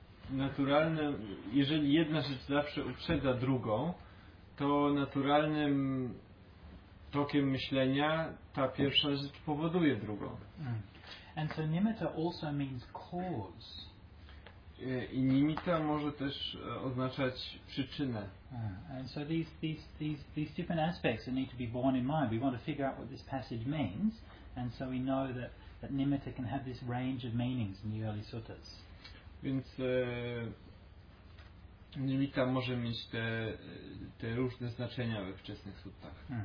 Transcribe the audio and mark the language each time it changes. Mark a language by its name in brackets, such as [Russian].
[Polish] Naturalne, jeżeli jedna rzecz zawsze uprzedza drugą, to naturalnym tokiem myślenia ta pierwsza rzecz powoduje drugą. [English] And so nimitta also means cause. [Polish] I nimitta może też oznaczać przyczynę. [English] And so these different aspects that need to be borne in mind. We want to figure out what this passage means, and so we know that that nimitta can have this range of meanings in the early suttas. [Polish] Więc nimitta może mieć te, te różne znaczenia we wczesnych suttach.